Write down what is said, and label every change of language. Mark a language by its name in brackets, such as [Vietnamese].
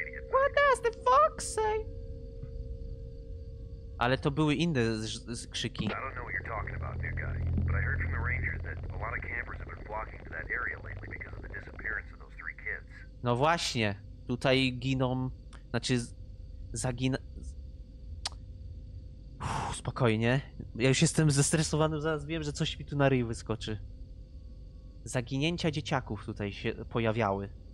[English] What does the fox say? [Polish] Ale to były inne skrzyki. [English] I don't know what you're talking about, new guy, but I heard from the rangers that a lot of campers have been flocking to that area lately because of the disappearance of those three kids. [Polish] No właśnie, tutaj giną, znaczy zagina. Spokojnie, ja już jestem zestresowany, zaraz wiem, że coś mi tu na ryj wyskoczy. Zaginięcia dzieciaków tutaj się pojawiały.